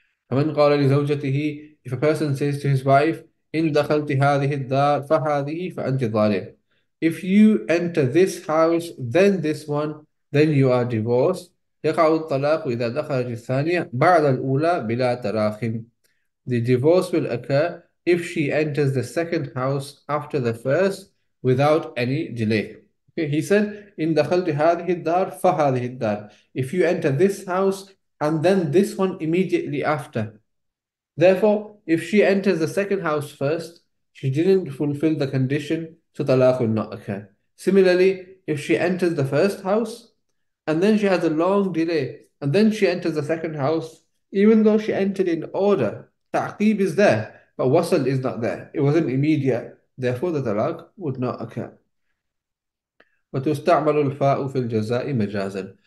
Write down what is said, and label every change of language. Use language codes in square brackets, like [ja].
[ar] فمن قال لزوجته, [en] if a person says to his wife, [ar] إن دخلت هذه الدار فهذه فأنت ظالم. [en] If you enter this house, then this one, then you are divorced. [ar] يقع الطلاق إذا دخلت الثانية بعد الأولى بلا تراخم. [en] The divorce will occur if she enters the second house after the first without any delay. Okay. He said, [ar] إن دخلت هذه الدار فهذه الدار. [en] If you enter this house and then this one immediately after. Therefore, if she enters the second house first, she didn't fulfill the condition, so talaq will not occur. Similarly, if she enters the first house, and then she has a long delay, and then she enters the second house, even though she entered in order, ta'qib is there, but wasal is not there. It wasn't immediate, therefore the talaq would not occur. [ar] وتستعمل الفاء في الجزاء مجازا.